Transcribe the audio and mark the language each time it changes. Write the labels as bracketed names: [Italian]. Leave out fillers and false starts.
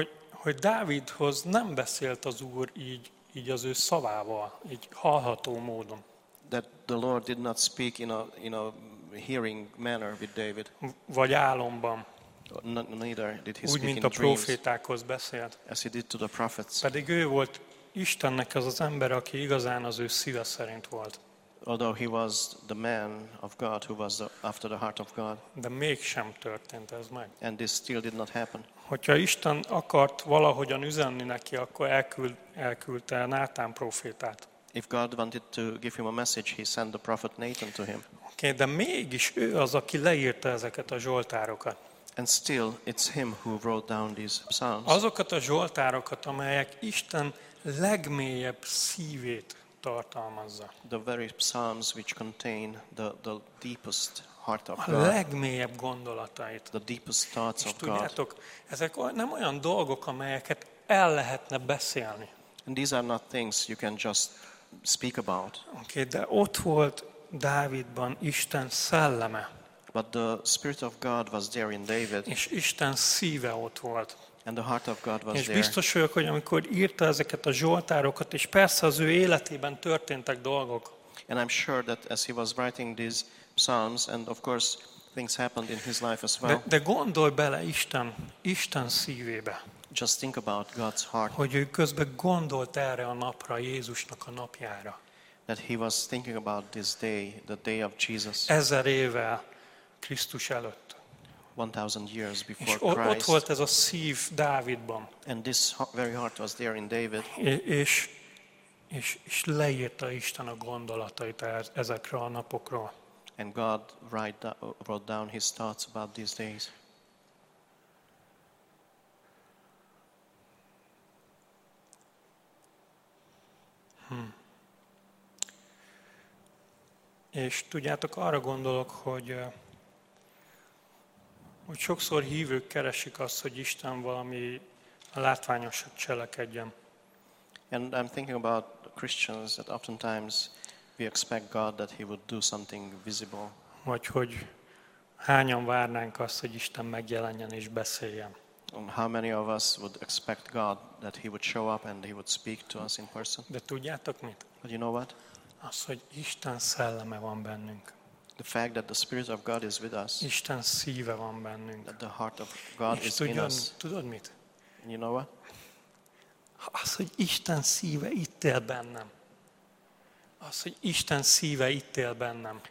[Hungarian] Hogy Dávidhoz nem beszélt az Úr így az ő szavával, így hallható módon. [English] That the Lord did not speak in a hearing manner with David. [Hungarian] Vagy álomban. [English] Neither did he speak in dreams. [Hungarian] A prófétákhoz beszélt. [English] As he did to the prophets. [Hungarian] Pedig ő volt Istennek az ember, aki igazán az ő szíve szerint volt. [English] Although he was the man of God who was after the heart of God. [Hungarian] De mégsem történt ez meg. [English] And this still did not happen. [Hungarian] Hogyha Isten akart valahogyan üzenni neki, akkor elküldte Nátán prófétát. [English] If God wanted to give him a message, he sent the prophet Nathan to him. [Hungarian] Okay, de mégis ő az, aki leírta ezeket a zsoltárokat. [English] And still it's him who wrote down these psalms. [Hungarian] Azokat a zsoltárokat, amelyek Isten legmélyebb szívét tartalmazza. [English] The very psalms which contain the deepest heart of God. [Hungarian] A legmélyebb gondolatait. [English] The deepest thoughts of God. [Hungarian] És tudjátok, ezek nem olyan dolgok, amelyeket el lehetne beszélni. [English] And these are not things you can just speak about. [Hungarian] Okay, de ott volt Dávidban Isten szelleme. [English] But the spirit of God was there in David. [Hungarian] És Isten szíve ott volt. [English] And the heart of God was [Hungarian] és [English] there. [Hungarian] És biztos vagyok, hogy amikor írta ezeket a zsoltárokat, és persze az ő életében történtek dolgok. [English] And I'm sure that as he was writing these psalms, and of course things happened in his life as well. [Hungarian] De gondolj bele Isten szívébe. [English] Just think about God's heart. [Hungarian] Hogy ő közben gondolt erre a napra, Jézusnak a napjára. [English] That he was thinking about this day, the day of Jesus. [Hungarian] 1000 évvel Krisztus előtt. [English] 1000 years before Christ. [Hungarian] És ott volt ez a szív Dávidban. [English] And this very heart was there in David. [Hungarian] És leírta Isten a gondolatait ezekre a napokról. [English] And God wrote down his thoughts about these days. [Hungarian] És tudjátok, arra gondolok, hogy sokszor hívők keresik azt, hogy Isten valami látványosat cselekedjen. [English] And I'm thinking about Christians that oftentimes we expect God that he would do something visible. [Hungarian] Vagy hogy hányan várnánk azt, hogy Isten megjelenjen és beszéljen. [English] How many of us would expect God that he would show up and he would speak to us in person? [Hungarian] De tudjátok mit? [English] But you know what? [Hungarian] Az, hogy Isten szelleme van bennünk. [English] The fact that the spirit of God is with us. [Hungarian] Isten szíve van bennünk. [English] That the heart of God [Hungarian] és is tudjon, in us. Tudod mit? [English] And you know what? [Hungarian] Az, hogy Isten szíve itt él bennem. Az, hogy Isten szíve itt él bennem.